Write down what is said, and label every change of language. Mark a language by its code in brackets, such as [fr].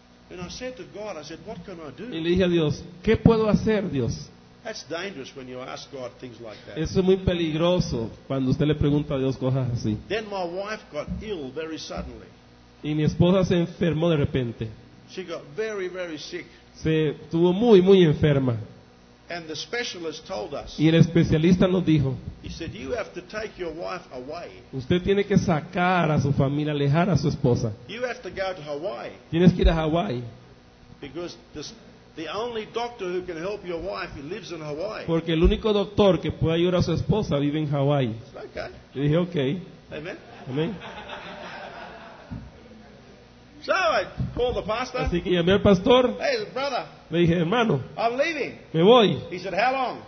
[en] And I said to God, I said, what can I do? [es] Y le dije a Dios, ¿qué puedo hacer, Dios? [en] That's dangerous when you ask God things like that. [es] Eso es muy peligroso cuando usted le pregunta a Dios cosas así. [en] Then my wife got ill very suddenly. [es] Y mi esposa se enfermó de repente. [en] She got very, very sick. [es] Se tuvo muy, muy enferma. [en] And the specialist told us. [es] Y el especialista nos dijo. [en] He said, you have to take your wife away. [es] Usted tiene que sacar a su familia, alejar a su esposa. [en] You have to go to Hawaii. [es] Tienes que ir a Hawaii. [en] Because the only doctor who can help your wife, he lives in Hawaii. [es] Porque el único doctor que puede ayudar a su esposa vive en Hawaii. [en] Okay. [es] Yo dije, okay. [en] Amen. Amen. So I called the pastor. [es] Así que llamé al pastor. [en] Hey, brother. [es] Le dije, hermano, [en] I'm leaving. [es] Me voy. [en] He said, how long?